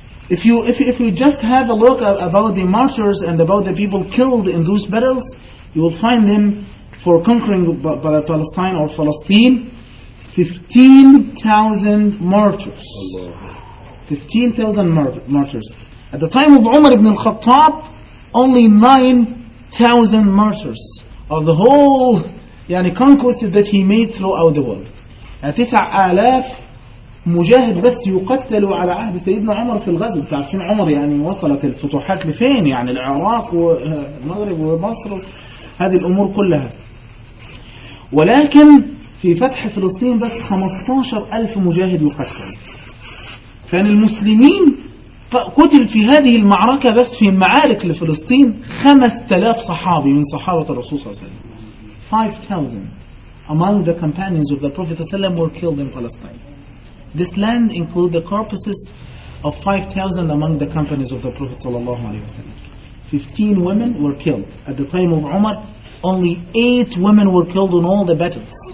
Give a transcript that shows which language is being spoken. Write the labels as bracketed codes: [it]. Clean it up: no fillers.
[en] If we just have a look about the martyrs and about the people killed in those battles, you will find them for conquering Palestine or Palestine, 15,000 martyrs. Allah. 15,000 martyrs. At the time of Umar ibn al-Khattab, only 9,000 martyrs of the whole yani conquests that he made throughout the world. [ar] 9,000 مجاهد بس يقتل على عهد سيدنا عمر في الغزو. تعرفين عمر يعني وصلت الفتوحات لفين، يعني العراق والمغرب ومصر، هذه الأمور كلها. ولكن في فتح فلسطين بس 15,000 مجاهد يقتل. كان المسلمين قتل في هذه المعركة بس في المعارك لفلسطين 5,000 صحابي من صحابة الرسول صلى الله عليه وسلم. [en] 5,000 among the companions of the Prophet ﷺ were killed in Palestine. This land includes the corpses of 5,000 among the companions of the Prophet ﷺ. 15 women were killed. At the time of Umar, only 8 women were killed in all the battles.